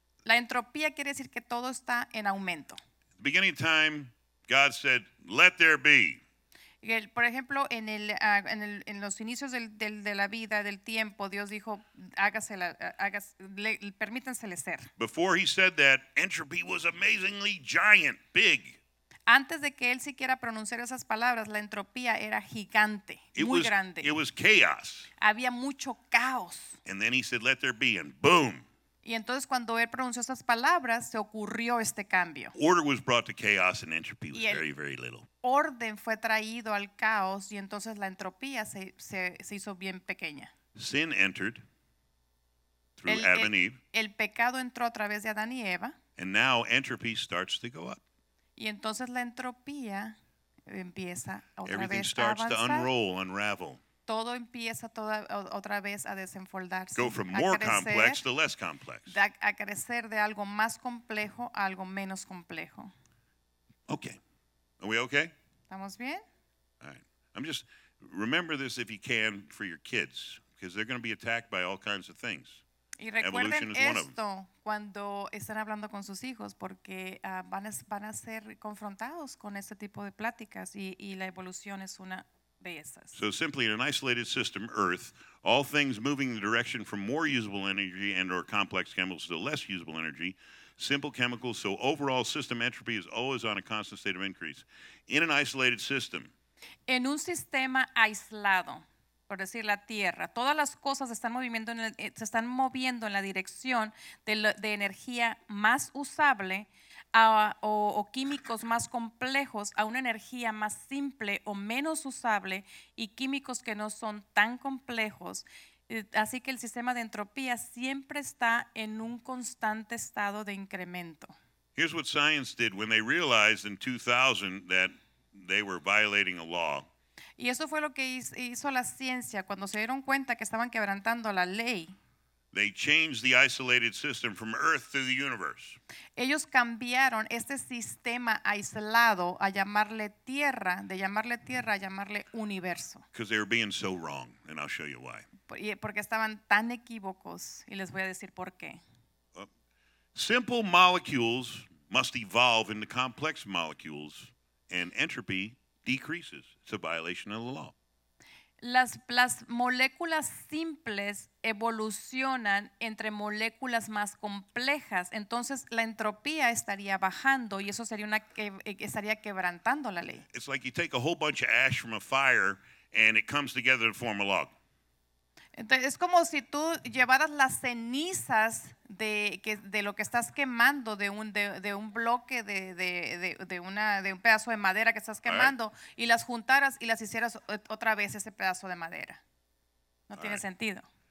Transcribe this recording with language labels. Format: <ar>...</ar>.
<es>la entropía quiere decir que todo está en aumento.</es> <en>At the beginning of time, God said, "Let there be."</en> <es>Por ejemplo, en los inicios de la vida, del tiempo, Dios dijo, permítansele ser.</es> <en>Before he said that, entropy was amazingly giant, big.</en> <es>Antes de que él siquiera pronunciara esas palabras, la entropía era gigante, grande.</es> <en>It was chaos.</en> <es>Había mucho caos.</es> <en>And then he said, "Let there be," and boom.</en> <es>Y entonces cuando él pronunció esas palabras, se ocurrió este cambio.</es> <en>Order was brought to chaos, and entropy was very, very little.</en> <es>Orden fue traído al caos, y entonces la entropía se hizo bien pequeña.</es> <en>Sin entered through Adam and Eve.</en> <es>El pecado entró a través de Adán y Eva.</es> <en>And now entropy starts to go up.</en> <es>Y entonces la entropía empieza otra</es> <en>Everything</en> <es>vez</es> <en>starts</en> <es>a avanzar.</es> <en>To unroll, unravel.</en> <es>Todo empieza toda otra vez a desenfoldarse.</es> <en>Go from more</en> <es>crecer,</es> <en>complex to less complex.</en> <es>A crecer de algo más complejo a algo menos complejo.</es> <en>Okay. Are we okay?</en> <es>¿Estamos bien?</es> <en>All right. I'm just, remember this if you can for your kids, because they're going to be attacked by all kinds of things.</en> <es>Y recuerden esto cuando están hablando con sus hijos, porque van a ser confrontados con este tipo de pláticas y la evolución es una de esas.</es> <en>So simply, in an isolated system, Earth, all things moving in the direction from more usable energy and or complex chemicals to less usable energy, simple chemicals, so overall system entropy is always on a constant state of increase. In an isolated system.</en> <es>En un sistema aislado. Por decir la Tierra, todas las cosas se están moviendo en la dirección de energía más usable o químicos más complejos a una energía más simple o menos usable y químicos que no son tan complejos. Así que el sistema de entropía siempre está en un constante estado de incremento. Here's what science did when they realized in 2000 that they were violating a law. Y eso fue lo que hizo la ciencia cuando se dieron cuenta que estaban quebrantando la ley.</es> <en>They changed the isolated system from Earth to the universe.</en> <es>Ellos cambiaron este sistema aislado a llamarle Tierra, de llamarle Tierra a llamarle Universo.</es> <en>Because they were being so wrong, and I'll show you why.</en> <es>Porque estaban tan equívocos, y les voy a decir por qué.</es> <en>Simple molecules must evolve into complex molecules, and entropy decreases. It's a violation of the law.</en> <es>Las moléculas simples evolucionan entre moléculas más complejas, entonces la entropía estaría bajando y eso sería una estaría quebrantando la ley.</es> <en>It's like you take a whole bunch of ash from a fire and it comes together to form a log.</en> <es>Entonces, es como si tú llevaras las cenizas de lo que estás quemando de un bloque de un pedazo de madera que estás quemando,</es> <en>right,</en> <es>y las juntaras y las hicieras otra vez ese pedazo de madera. No,</es> <en>all</en> <es>tiene,</es> <en>right,</en> <es>sentido.</es>